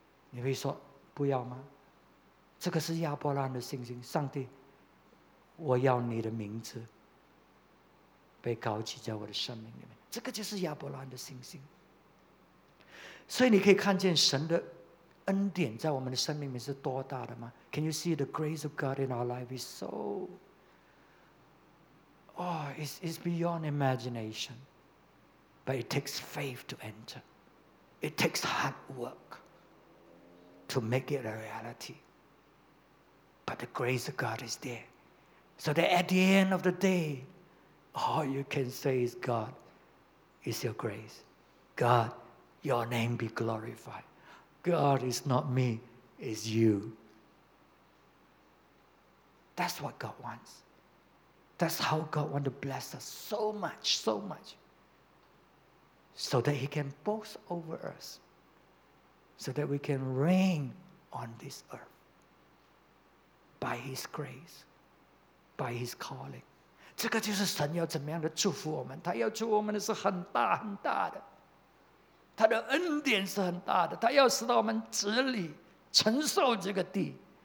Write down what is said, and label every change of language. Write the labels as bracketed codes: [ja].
[zh] 你会说, 不要吗? 这个是亚伯兰的信心, 上帝, 我要你的名字被高举在我的生命里面。这个就是亚伯拉罕的信心。所以你可以看见神的恩典在我们的生命里面是多大的吗？ [en] Can you see the grace of God in our life is so it's beyond imagination. But it takes faith to enter. It takes hard work to make it a reality. But the grace of God is there. So that at the end of the day, all you can say is God is your grace. God, your name be glorified. God is not me, it's you. That's what God wants. That's how God wants to bless us so much, so much. So that he can boast over us. So that we can reign on this earth. By his grace. By his calling. [zh] 这个就是神要怎么样的祝福我们。他要祝我们的是很大很大的。他的恩典是很大的，他要使到我们治理承受这个地。